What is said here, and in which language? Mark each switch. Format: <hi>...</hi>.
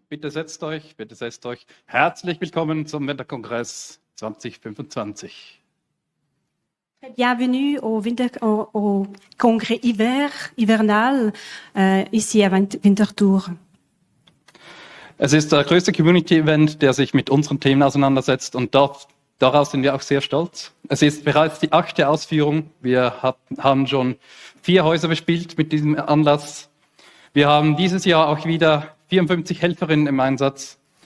<de>Bitte setzt euch, bitte setzt euch. Herzlich willkommen zum Winterkongress 2025.</de> <fr>Bienvenue au au congrès hivernal ici à Winterthur.</fr> <de>Es ist der größte Community-Event, der sich mit unseren Themen auseinandersetzt und darauf sind wir auch sehr stolz. Es ist bereits die 8. Ausführung. Haben schon 4 Häuser bespielt mit diesem Anlass. Wir haben dieses Jahr auch wieder 54 Helferinnen im Einsatz.</de>